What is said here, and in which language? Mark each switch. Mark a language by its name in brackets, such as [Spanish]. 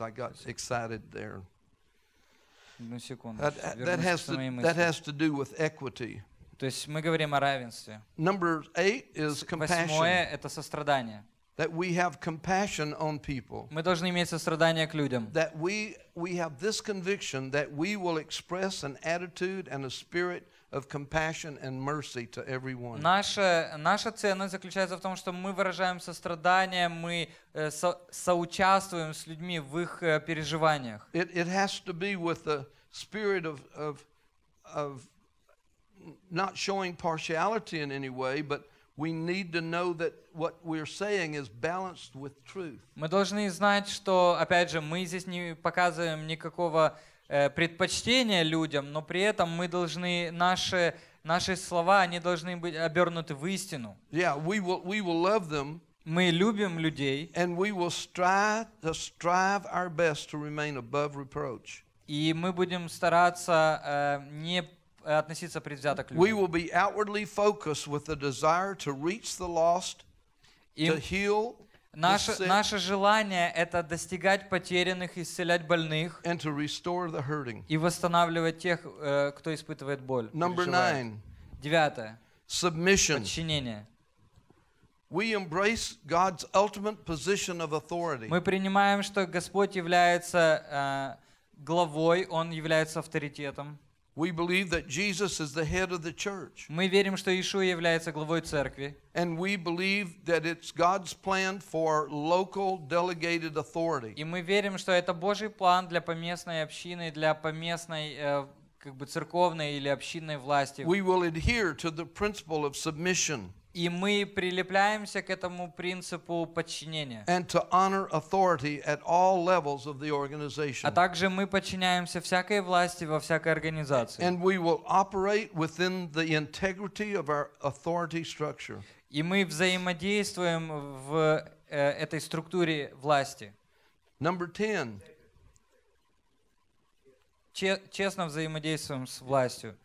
[English] I got excited there. That has to do with equity. [Russian] То есть мы говорим о равенстве. [English] Number 8 is compassion. [Russian] Восьмое – это сострадание. [English] That we have compassion on people. [Russian] Мы должны иметь сострадание к людям. [English] That we have this conviction that we will express an attitude and a spirit of compassion and mercy to everyone. [Russian] Наша ценность заключается в том, что мы выражаем сострадание, мы соучаствуем с людьми в их переживаниях. [English] It has to be with the spirit of not showing partiality in any way, but we need to know that what we're saying is balanced with truth. [Russian] Мы должны знать, что опять же, мы здесь не показываем никакого предпочтения людям, но при этом мы должны наши слова, они должны быть обернуты в истину. [English] Yeah, we will love them. [Russian] Мы любим людей. [English] And we will strive our best to remain above reproach. [Russian] И мы будем стараться не относиться предвзято к людям. [English] We will be outwardly focused with the desire to reach the lost, to heal. [Russian] Наше желание – это достигать потерянных, исцелять больных [English] and to restore the hurting. [Russian] И восстанавливать тех, кто испытывает боль. [English] Number 9. [Russian] Девятое. [English] Submission. [Russian] Подчинение. [English] We embrace God's ultimate position of authority. [Russian] Мы принимаем, что Господь является главой, Он является авторитетом. [English] We believe that Jesus is the head of the church. [Russian] Мы верим, что Иисус является главой церкви. [English] And we believe that it's God's plan for local delegated authority. [Russian] И мы верим, что это Божий план для поместной общины, для поместной как бы церковной или общинной власти. [English] We will adhere to the principle of submission. [Russian] И мы прилепляемся к этому принципу подчинения. [English] And to honor authority at all levels of the organization. [Russian] А также мы подчиняемся всякой власти во всякой организации. [English] And we will operate within the integrity of our authority structure. [Russian] И мы взаимодействуем в этой структуре власти. [English] Number 10. [Russian] Честно взаимодействуем с властью.